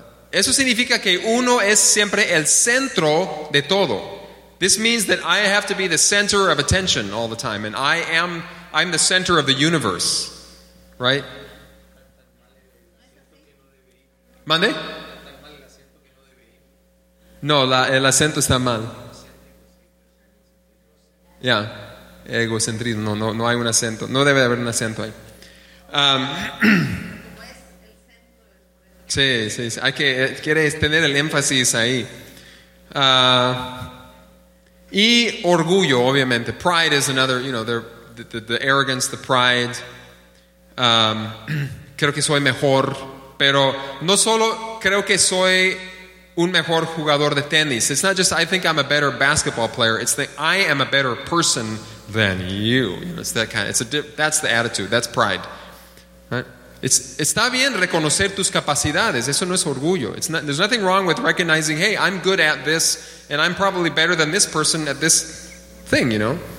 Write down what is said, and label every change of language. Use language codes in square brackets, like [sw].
[es] Eso significa que uno es siempre el centro de todo. [en] This means that I have to be the center of attention all the time, and I'm the center of the universe, right? [es] ¿Mande? No, el acento está mal. [en] Yeah, [es] egocentrismo. No hay un acento. No debe haber un acento ahí. Sí. Hay que, quieres tener el énfasis ahí. Y orgullo, obviamente. [en] Pride is another, you know, the arrogance, the pride. [es] Creo que soy mejor, pero no solo creo que soy un mejor jugador de tenis. [en] It's not just I think I'm a better basketball player. It's that I am a better person than you. You know, it's that kind. That's the attitude. That's pride. Right? [es] Está bien reconocer tus capacidades. Eso no es orgullo. [en] There's nothing wrong with recognizing, hey, I'm good at this, and I'm probably better than this person at this thing, you know.